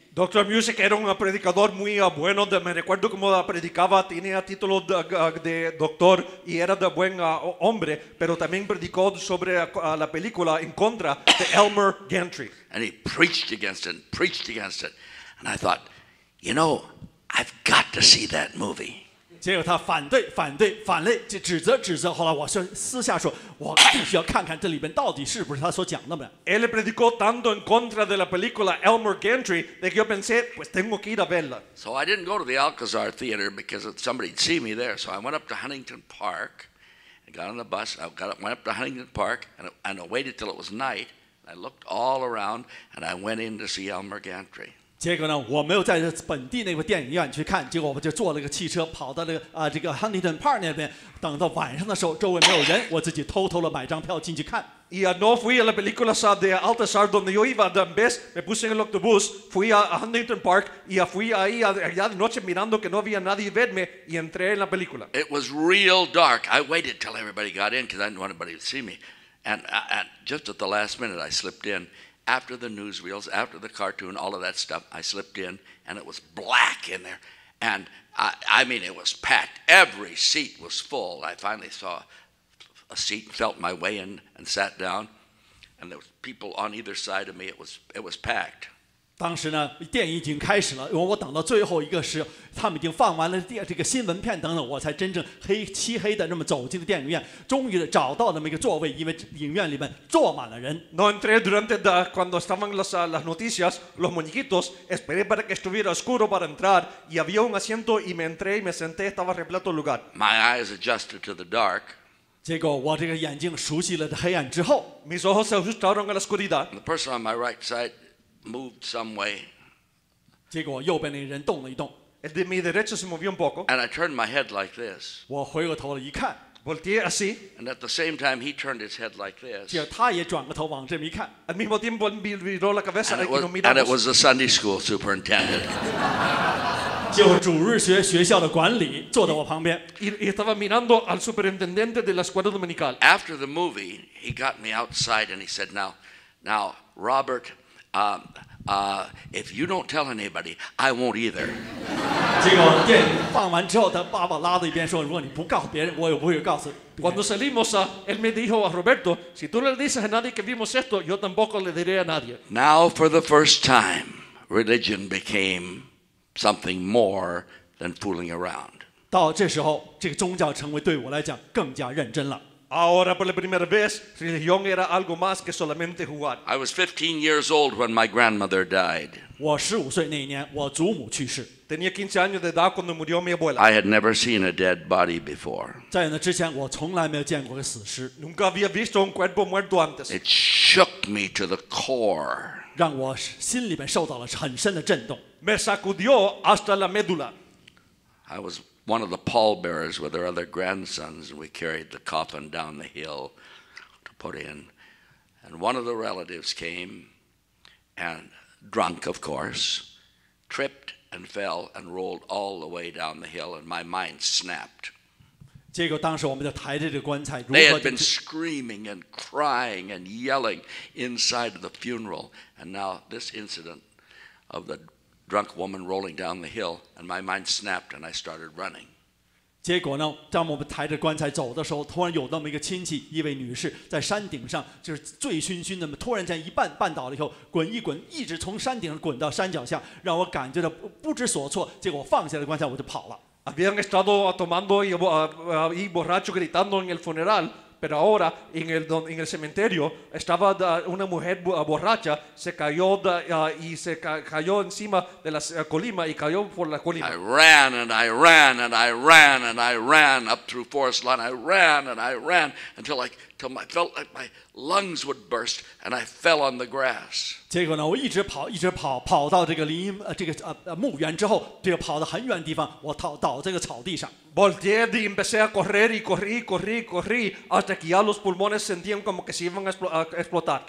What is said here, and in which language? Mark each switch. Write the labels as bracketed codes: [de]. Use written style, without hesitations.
[en] Dr. [es] Music era un predicador muy bueno, me recuerdo cómo predicaba, tenía título de doctor y era de buen hombre, pero también predicó sobre la película en contra de Elmer Gantry. [en] And he preached against it, and preached against it. And I thought, you know, I've got to see that movie. [zh] 结果他反对，反对，反对，就指责，指责。后来我说，私下说，我必须要看看这里边到底是不是他所讲的嘛。 [es] Él predicó tanto en contra de la película Elmer Gantry de que yo pensé, pues tengo que ir a verla. [en] So I didn't go to the Alcazar Theater because somebody'd see me there. So I went up to Huntington Park and got on the bus. Went up to Huntington Park and I waited till it was night. I looked all around and I went in to see Elmer Gantry. [zh] 结果呢，我没有在本地那个电影院去看，结果我就坐了个汽车跑到那个这个 Huntington Park 那边。等到晚上的时候，周围没有人，我自己偷偷的买张票进去看。 [es] Yeah, no fui a la película de Alcazar donde yo iba de vez, me puse en el autobús, fui a Huntington Park y fui ahí allá de noche mirando que no había nadie verme y entré en la película. [en] It was real dark. I waited till everybody got in because I didn't want anybody to see me. And just at the last minute, I slipped in. After the newsreels, after the cartoon, all of that stuff, I slipped in and it was black in there. And I mean, it was packed. Every seat was full. I finally saw a seat, felt my way in and sat down. And there was people on either side of me. It was packed. [zh] 当时呢，电影已经开始了，因为我等到最后一个时，他们已经放完了电这个新闻片等等，我才真正黑漆黑的那么走进了电影院，终于找到那么一个座位，因为影院里面坐满了人。 [es] No entré durante la cuando estaban las noticias los muñequitos, esperé para que estuviera oscuro para entrar y había un asiento y me entré y me senté estaba repleto el lugar. [en] My eyes adjusted to the dark. [zh] 结果我这个眼睛熟悉了黑暗之后 [es] ，mis ojos se ajustaron a la oscuridad. [en] The person on my right side. Moved some way. [zh] 结果右边那个人动了一动。 [es] El de mi derecho se movió un poco. [en] And I turned my head like this. [zh] 我回过头了一看。 [es] Volteé así. [en] And at the same time, he turned his head like this. [zh] 结果他也转过头往这边一看。 [es] Al mismo tiempo miró la cabeza. [en] And it was the Sunday school superintendent. [zh] 就主日学学校的管理坐在我旁边。 [es] Y estaba mirando al superintendente de la escuela dominical. [en] After the movie, he got me outside and he said, "Now, Robert." If you don't tell anybody, I won't either. [zh] 结果电影放完之后，他爸爸拉到一边说：“如果你不告诉别人，我也不会告诉。” [es] Cuando salimos, él me dijo a Roberto: "Si tú le dices a nadie que vimos esto, yo tampoco le diré a nadie." [en] Now, for the first time, religion became something more than fooling around. [zh] 到这时候，这个宗教成为对我来讲更加认真了。 [es] Ahora por la primera vez, religión era algo más que solamente jugar. [en] I was 15 years old when my grandmother died. [zh] 我十五岁那一年，我祖母去世。 [es] Tenía 15 años de edad cuando murió mi abuela. [en] I had never seen a dead body before. [zh] 在那之前，我从来没有见过个死尸。 [es] Nunca había visto un cuerpo muerto antes. [en] It shook me to the core. [zh] 让我心里面受到了很深的震动。 [es] Me sacudió hasta la médula. [en] I was. One of the pallbearers with her other grandsons, and we carried the coffin down the hill to put in. And one of the relatives came, and drunk, of course, tripped and fell and rolled all the way down the hill, and my mind snapped. [zh] 结果当时我们就抬着这个棺材。 [en] They had been screaming and crying and yelling inside of the funeral, and now this incident of the drunk woman rolling down the hill, and my mind snapped, and I started running. [zh] 结果呢，当我们抬着棺材走的时候，突然有那么一个亲戚，一位女士，在山顶上就是醉醺醺的，突然间一半绊倒了以后，滚一滚，一直从山顶上滚到山脚下，让我感觉到 不知所措。结果我放下了棺材，我就跑了。 [es] Habían estado tomando y borracho gritando en el funeral, pero ahora en el cementerio estaba una mujer borracha, se cayó y se cayó encima de la colima y cayó por la colima. [en] I ran and I ran and I ran and I ran up through forest lawn. I ran and I ran until like. Till I felt like my lungs would burst, and I fell on the grass. [zh] 结果呢，我一直跑，一直跑，跑到这个林荫这个墓园之后，这个跑到很远的地方，我倒这个草地上。 [es] Volteé y empecé a correr y corrí, corrí, corrí hasta que ya los pulmones sentían como que se iban a explotar.